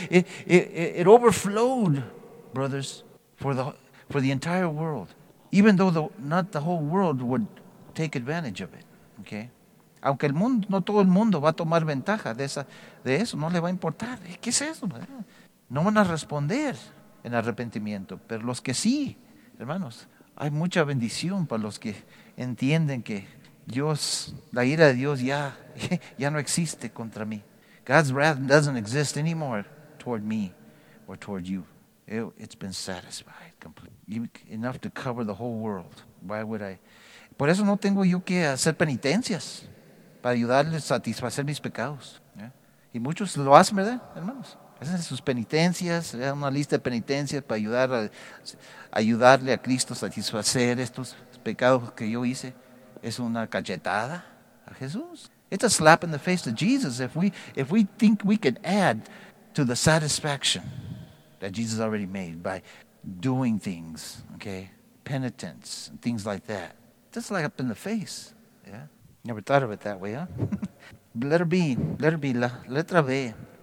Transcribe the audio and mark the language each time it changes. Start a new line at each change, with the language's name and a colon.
English: It overflowed, brothers, for the entire world, even though not the whole world would take advantage of it. Okay?
Spanish: Aunque el mundo, no todo el mundo va a tomar ventaja de eso, no le va a importar. ¿Qué es eso? No van a responder en arrepentimiento. Pero los que sí, hermanos, hay mucha bendición para los que entienden que Dios, la ira de Dios ya no existe contra mí.
English: God's wrath doesn't exist anymore toward me or toward you. It's been satisfied completely. Enough to cover the whole world. Why would I?
Spanish: Por eso no tengo yo que hacer penitencias para ayudarles a satisfacer mis pecados. Yeah? Y muchos lo hacen, ¿verdad, hermanos? Hacen sus penitencias, una lista de penitencias para ayudarle a Cristo a satisfacer estos pecados que yo hice. Es una cachetada a Jesús.
English: It's a slap in the face to Jesus if we think we can add to the satisfaction that Jesus already made by doing things, okay? Penitence and things like that. It's a slap in the face. Yeah. Never thought of it that way, huh? letter B.